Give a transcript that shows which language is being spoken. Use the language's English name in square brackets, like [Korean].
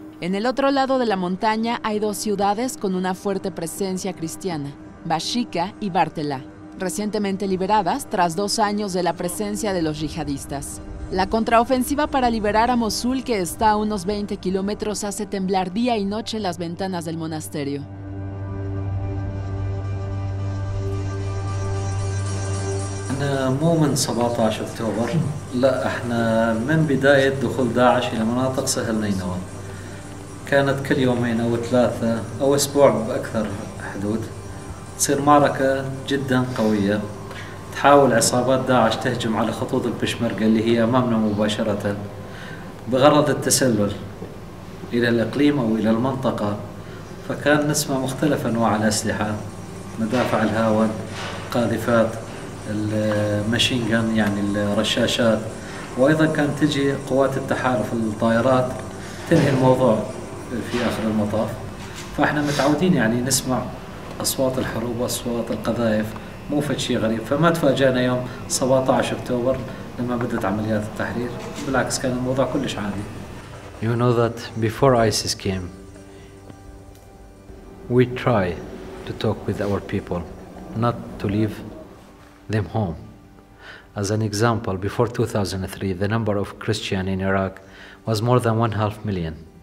[Spanish] En el otro lado de la montaña hay 2 ciudades con una fuerte presencia cristiana, Bashika y Bartela. Recientemente liberadas tras 2 años de la presencia de los yihadistas. La contraofensiva para liberar a Mosul, que está a unos 20 kilómetros, hace temblar día y noche las ventanas del monasterio. [Arabic] احنا مو من 17 اكتوبر لا احنا من بداية دخول داعش الى مناطق سهل نينوى كانت كل يومين او 3 او اسبوع باكثر حدود تصير معركة جدا قوية تحاول عصابات داعش تهجم على خطوط البشمركة اللي هي أمامنا مباشرة بغرض التسلل إلى الإقليم أو إلى المنطقة فكان نسمع مختلف أنواع الأسلحة مدافع الهواء قاذفات الماشين جان يعني الرشاشات وأيضا كانت تجي قوات التحالف الطائرات تنهي الموضوع في آخر المطاف فإحنا متعودين يعني نسمع أصوات الحروب وأصوات القذائف مو فد شيء غريب فما تفاجأنا يوم 17 أكتوبر لما بدت عمليات التحرير بالعكس كان الموضوع كلش عادي. [English] You know that before ISIS came, we try to talk with our people, not to leave them home. As an example, before 2003, the number of Christians in Iraq was more than 500,000.